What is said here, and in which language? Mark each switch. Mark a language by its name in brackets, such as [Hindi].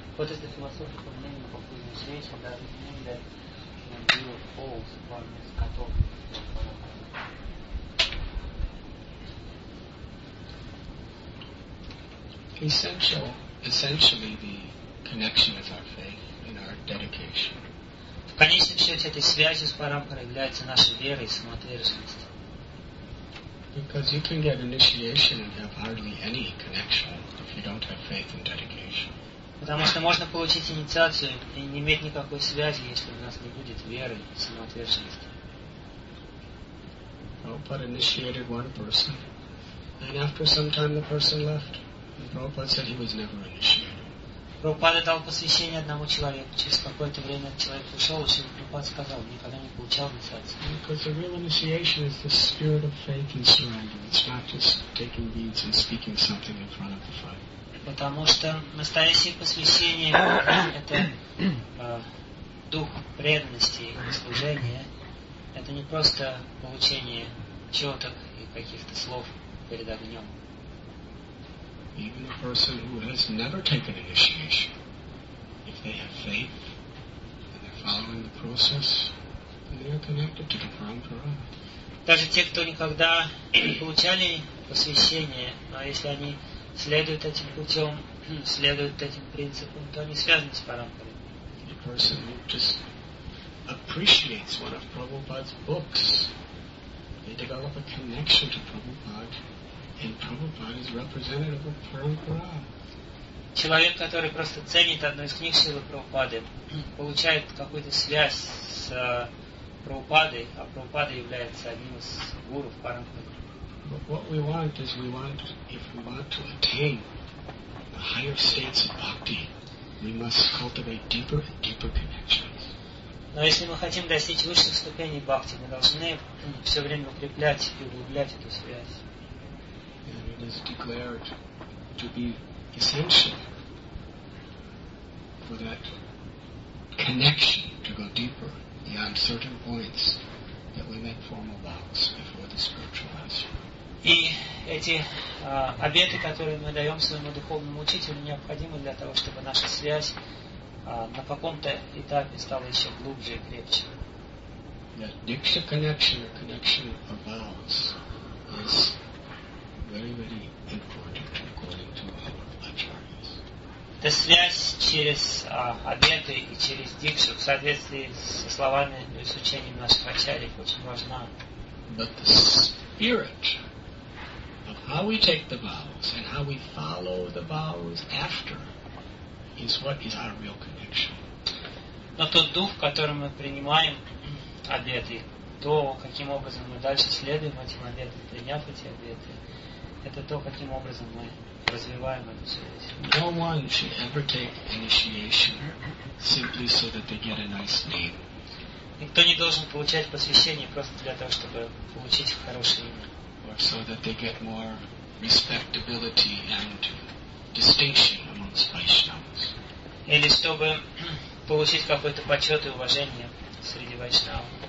[English] What is the philosophical meaning of the initiation? Does it mean that when you hold one is cut off from parampara? Essentially, the connection is our faith and our dedication. [Russian] В конечном счете этой связи с парампарой является наша вера и самоотверженность. [English] Because you can get initiation and have hardly any connection if you don't have faith and dedication. [Russian] Потому что можно получить инициацию и не иметь никакой связи, если у нас не будет веры и самоотверженности. [English] Prabhupada initiated one person, and after some time the person left. Prabhupada said he was never initiated. [Russian] Prabhupada дал посвящение одному человеку. Через какое-то время человек ушел, и Шрила Прабхупада сказал, никогда не получал инициации. [English] Because the real initiation is the spirit of faith and surrender. It's not just taking beads and speaking something in front of the fire. [Russian] Потому что настоящее посвящение это дух преданности и служения. Это не просто получение четок и каких-то слов перед огнем. [English] Even a person who has never taken initiation, if they have faith and they're following the process, then they are connected to the parampara. [Russian] Даже те, кто никогда не получали посвящение, но если они следуют этим путем, следуют этим принципам, то они связаны с парампарой. [English] A person who just appreciates one of Prabhupada's books, they develop a connection to Prabhupada. And Prabhupada is representative of Parampara. [Russian] Человек, который просто ценит одну из книг Шрилы Прабхупады, получает какую-то связь с Прабхупадой, а Прабхупада является одним из гуру в Парампаре. [English] But what we want is we want, if we want to attain the higher states of bhakti, we must cultivate deeper and deeper connections. [Russian] Но если мы хотим достичь высших ступеней бхакти, мы должны все время укреплять и углублять эту связь. [English] And it is declared to be essential for that connection to go deeper beyond certain points that we make formal vows before the spiritual master. [Russian] И эти обеты, которые мы даем своему духовному учителю, необходимы для того, чтобы наша связь на каком-то этапе стала еще глубже и крепче. [English] That diksha connection, or connection of vows, is very, very important according to our acharyas. [Russian] Эта связь через обеты и через дикшу в соответствии со словами и с учением наших ачарьев очень важна. [English] But the spirit of how we take the vows and how we follow the vows after is what is our real connection. [Russian] Но тот дух, которым мы принимаем обеты, то, каким образом мы дальше следуем этим обетам, приняв эти обеты, это то, каким образом мы развиваем эту связь. [English] No one should ever take initiation simply so that they get a nice name. [Russian] Никто не должен получать посвящение просто для того, чтобы получить хорошее имя. [English] Or so that they get more respectability and distinction amongst Vaishnavas. [Russian] Или чтобы получить какой-то почет и уважение среди Вайшнав.